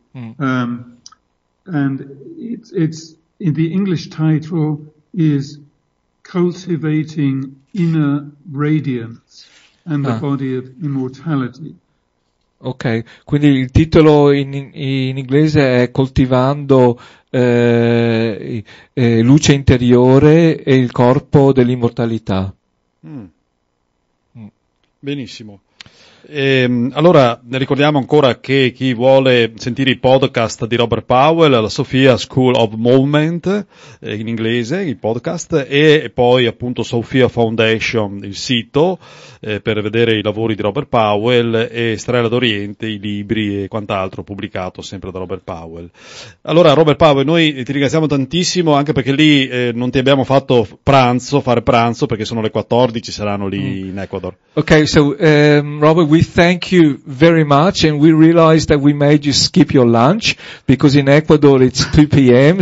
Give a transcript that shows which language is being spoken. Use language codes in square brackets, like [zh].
[en] And it's in the English title is Cultivating Inner Radiance and the Body of Immortality. [it] Ok, quindi il titolo in inglese è Coltivando luce interiore e il corpo dell'immortalità. Benissimo. Allora, ricordiamo ancora che chi vuole sentire i podcast di Robert Powell, la Sophia School of Movement, in inglese, i podcast, e poi appunto Sophia Foundation, il sito, per vedere i lavori di Robert Powell, e Strella d'Oriente, i libri e quant'altro pubblicato sempre da Robert Powell. Allora, Robert Powell, noi ti ringraziamo tantissimo, anche perché lì non ti abbiamo fatto fare pranzo, perché sono le 14, saranno lì in Ecuador. [en] Ok, so, Robert, we thank you very much, and we realize that we made you skip your lunch because in Ecuador it's 2 p.m.